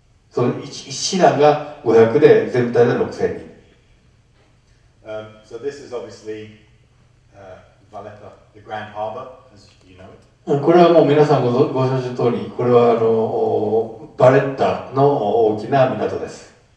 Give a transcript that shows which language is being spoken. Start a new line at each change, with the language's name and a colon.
Japanese: その 1師団が500で全体で6000人。
English: So this is obviously, Valletta, the Grand Harbor, as you know it.
Japanese: これはもう皆さんご承知の通り、これはバレッタの大きな港です。